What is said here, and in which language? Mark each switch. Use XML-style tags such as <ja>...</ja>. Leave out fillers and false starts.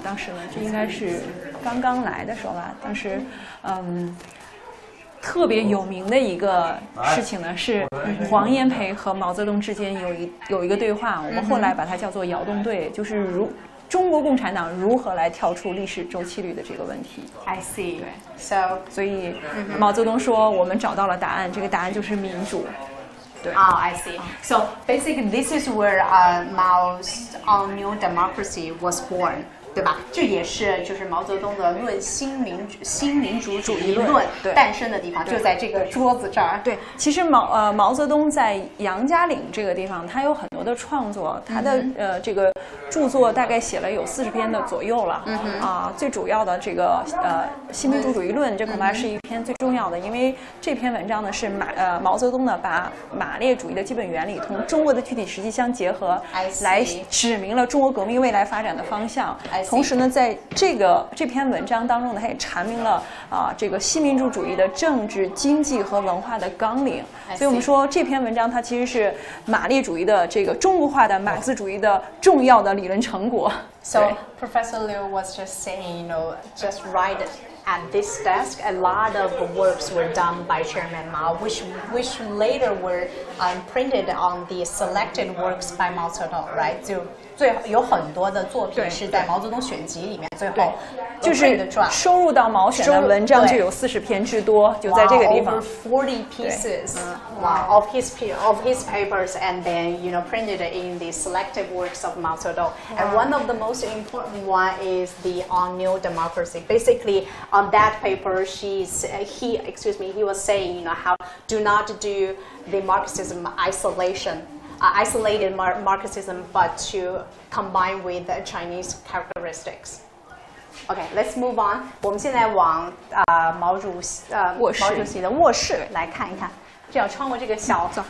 <zh>当时呢，这应该是刚刚来的时候吧。当时，特别有名的一个事情呢，是黄炎培和毛泽东之间有一个对话，我们后来把它叫做“窑洞队”，就是中国共产党如何来跳出历史周期率的这个问题。</zh> <en>I see.</en> <zh>对</zh> <en>，so</en> <zh>所以毛泽东说我们找到了答案，这个答案就是民主。对。</zh> <en>Oh, I see. So basically, this is where Mao's On New Democracy was born.</en> <zh>对吧？这也是就是毛泽东的论新民主主义论诞生的地方，就在这个桌子这儿。对，其实毛泽东在杨家岭这个地方，他有很多的创作，他的这个著作大概写了有40篇的左右了。最主要的这个新民主主义论，这恐怕是一篇最重要的，因为这篇文章呢是毛泽东呢把马列主义的基本原理同中国的具体实际相结合，来指明了中国革命未来发展的方向。同时呢，在这篇文章当中呢，它也阐明了这个新民主主义的政治、经济和文化的纲领。所以我们说这篇文章它其实是马列主义的这个中国化的马克思主义的重要的理论成果。</zh> <en>So Professor Liu was just saying, you know, just right at this desk, a lot of works were done by Chairman Mao, which later were printed on the selected works by Mao Zedong, right? So.</en> <zh>最有很多的作品是在毛泽东选集里面，最后就是收入到毛选的文章就有40篇之多，就在这个地方。</zh> <en>Over 40 pieces of his papers, and then you know printed in the selective works of Mao Zedong. And one of the most important one is the On New Democracy. Basically, on that paper, he was saying, you know, how do not do the Marxism isolation. Isolated Marxism, but to combine with the Chinese characteristics. Okay, let's move on.</en> <zh>我们现在往毛主席的卧室来看一看，这样穿过这个小。</zh>